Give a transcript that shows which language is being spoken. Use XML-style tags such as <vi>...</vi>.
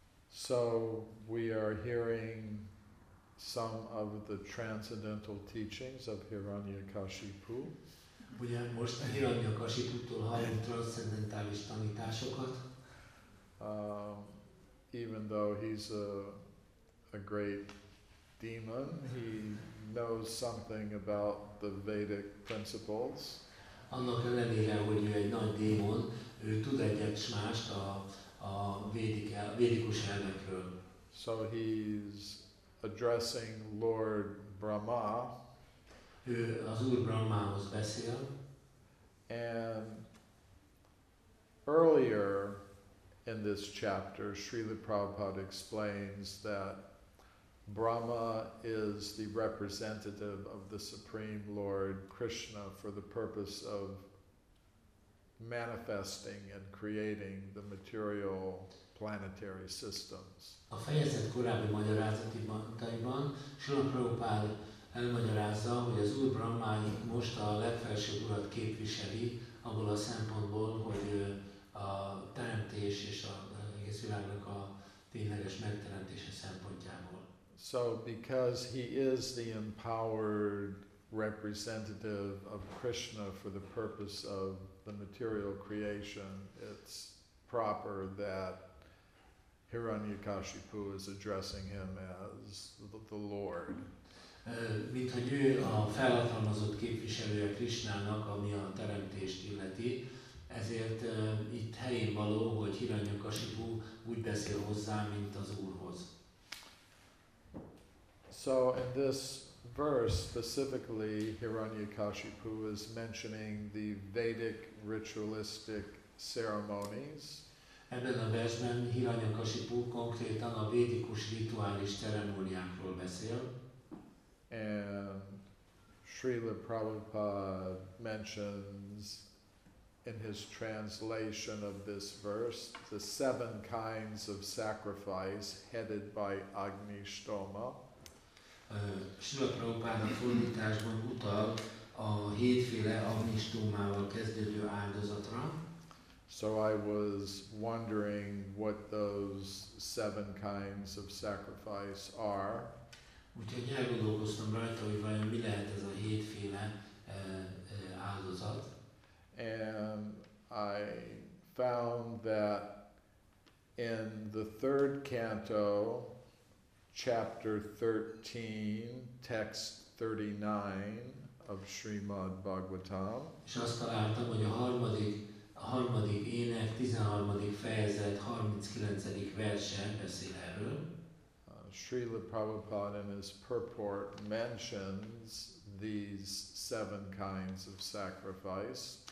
<en>So we are hearing some of the transcendental teachings of Hiranyakashipu.</en> <hu>Ugye most a Hiranyakashiputtól hallunk transzcendentális tanításokat.</hu> <en>Even though he's a great demon, he knows something about the Vedic principles.</en> <hu>Annak ellenére, hogy ő egy nagy démon, ő tud egyet s mást a védikus elvekről.</hu> <en>So he's addressing Lord Brahma.</en> <hu>Ő az Úr Brahmához beszél.</hu> <en>And earlier in this chapter, Srila Prabhupada explains that Brahma is the representative of the Supreme Lord Krishna for the purpose of manifesting and creating the material planetary systems.</en> <hu>A fejezet korábbi magyarázataiban Srila Prabhupada elmagyarázza, hogy az Úr Brahma most a legfelsőbb urat képviseli, abból a szempontból, hogy a teremtés és az egész világnak a tényleges megteremtése szempontjából.</hu> <en>So because he is the empowered representative of Krishna for the purpose of the material creation, it's proper that Hiranyakashipu is addressing him as the Lord.</en> <hu>Mint hogy ő a felhatalmazott képviselője Krishnának, ami a teremtést illeti, ezért itt helyén való, hogy Hiranyakashipu úgy beszél hozzá, mint az Úrhoz.</hu> <en>So in this verse specifically, Hiranyakashipu is mentioning the Vedic ritualistic ceremonies.</en> <hu>Ebben a versben Hiranyakashipu konkrétan a védikus rituális ceremóniákról beszél.</hu> <en>And Srila Prabhupada mentions in his translation of this verse the seven kinds of sacrifice headed by Agni Stoma.</en> <hu>Srila Prabhupada fordításban utal a hétféle Agni Stomával kezdődő áldozatra.</hu> <en>So I was wondering what those seven kinds of sacrifice are.</en> <hu>Úgyhogy elgondolkoztam rajta, hogy vajon mi lehet ez a hétféle áldozat.</hu> <en>And I found that in the third canto, chapter 13, text 39 of Srimad Bhagavatam.</en> <hu>És azt találtam, hogy a harmadik, harmadik ének, 13. fejezet, 39. verse beszél erről.</hu> <en>Srila Prabhupada in his purport mentions these seven kinds of sacrifice.</en>